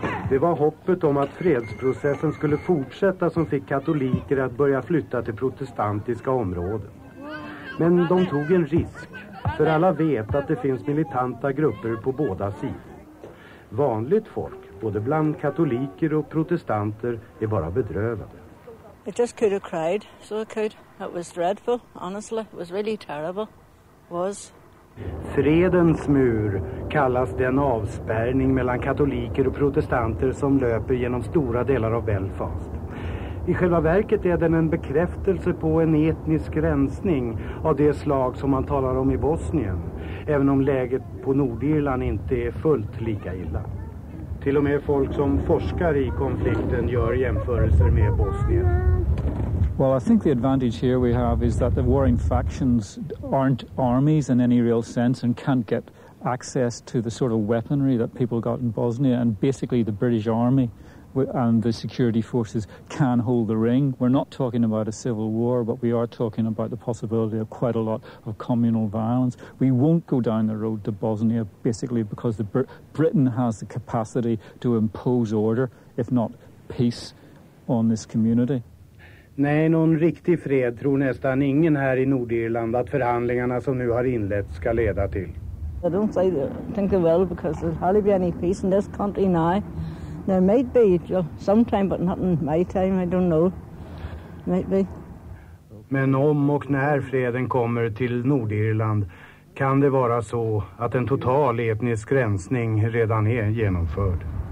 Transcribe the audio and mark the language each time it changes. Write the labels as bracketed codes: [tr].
[sv] Det var hoppet om att fredsprocessen skulle fortsätta som fick katoliker att börja flytta till protestantiska områden. Men de tog en risk, för alla vet att det finns militanta grupper på båda sidor. Vanligt folk, både bland katoliker och protestanter, är bara bedrövade. [en] It just could have cried, so it could. It was dreadful, honestly. It was really terrible. It was. [sv] Fredens mur kallas den avspärrning mellan katoliker och protestanter som löper genom stora delar av Belfast. I själva verket är den en bekräftelse på en etnisk rensning av det slag som man talar om i Bosnien, även om läget på Nordirland inte är fullt lika illa. Till och med folk som forskar i konflikten gör jämförelser med Bosnien. [en] Well, I think the advantage here we have is that the warring factions aren't armies in any real sense and can't get access to the sort of weaponry that people got in Bosnia, and basically the British army and the security forces can hold the ring. We're not talking about a civil war, but we are talking about the possibility of quite a lot of communal violence. We won't go down the road to Bosnia basically because Britain has the capacity to impose order, if not peace, on this community. [sv] Nej, någon riktig fred tror nästan ingen här i Nordirland att förhandlingarna som nu har inlett ska leda till. [en] I don't say that. I think they will, because there'll hardly be any peace in this country now. There might be sometime, but not in my time, I don't know. Might be. [sv] Men om och när freden kommer till Nordirland kan det vara så att en total etnisk rensning redan är genomförd.